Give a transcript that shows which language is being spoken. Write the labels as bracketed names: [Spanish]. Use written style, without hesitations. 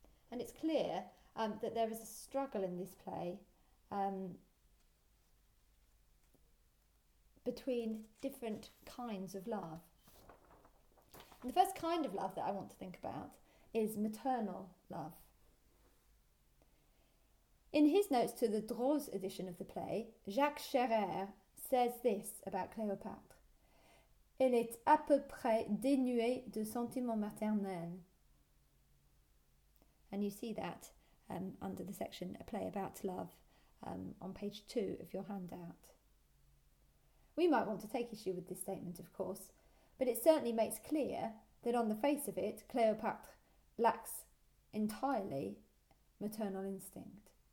[English] And it's clear that there is a struggle in this play between different kinds of love. And the first kind of love that I want to think about is maternal love. In his notes to the Droz edition of the play, Jacques Scherrer says this about Cléopâtre. [French] Elle est à peu près dénuée de sentiments maternels. [English] And you see that under the section A Play About Love on page 2 of your handout. We might want to take issue with this statement, of course, but it certainly makes clear that on the face of it, Cléopâtre lacks entirely maternal instinct.